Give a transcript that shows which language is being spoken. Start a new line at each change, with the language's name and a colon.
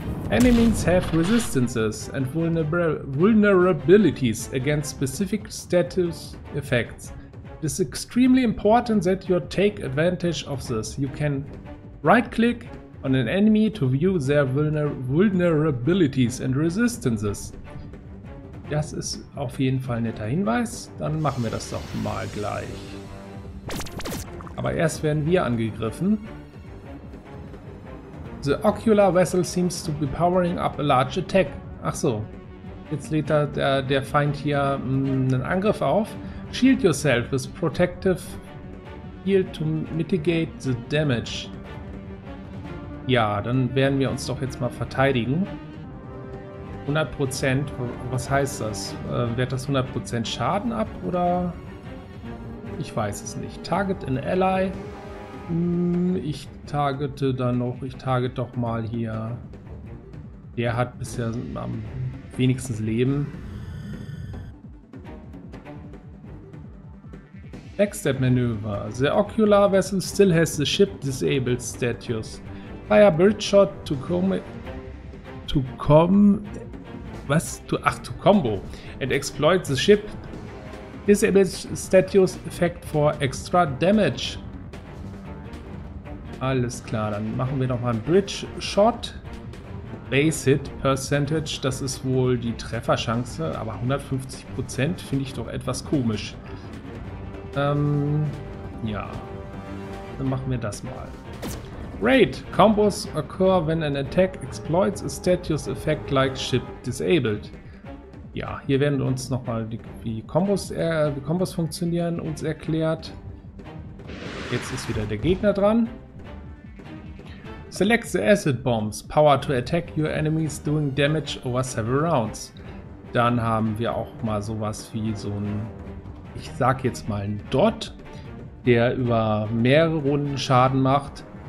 English: Enemies have resistances and vulnerabilities against specific status effects. It is extremely important that you take advantage of this. You can right-click on an enemy to view their vulnerabilities and resistances.
German: Das ist auf jeden Fall ein netter Hinweis. Dann machen wir das doch mal gleich. Aber erst werden wir angegriffen.
English: The Ocular Vessel seems to be powering up a large attack.
German: Ach so, jetzt lädt da der Feind hier einen Angriff auf.
English: Shield yourself with protective shield to mitigate the damage.
German: Ja, dann werden wir uns doch jetzt mal verteidigen. 100%, was heißt das? Wehrt das 100% Schaden ab oder? Ich weiß es nicht. Target an ally. Ich target doch mal hier. Der hat bisher am wenigsten Leben.
English: Backstab maneuver. The ocular vessel still has the ship disabled status. Fire birdshot to combo and exploit the ship disabled status effect for extra damage.
German: Alles klar, dann machen wir nochmal einen Bridge Shot. Base Hit Percentage, das ist wohl die Trefferchance, aber 150% finde ich doch etwas komisch. Ja. Dann machen wir das mal. Raid!
English: Combos occur when an attack exploits a status effect like ship disabled.
German: Ja, hier werden uns nochmal die Combos funktionieren, uns erklärt. Jetzt ist wieder der Gegner dran.
English: Select the acid bombs, power to attack your enemies doing damage over several rounds.
German: Dann haben wir auch mal sowas wie so ein, ich sag jetzt mal ein Dot, der über mehrere Runden Schaden macht.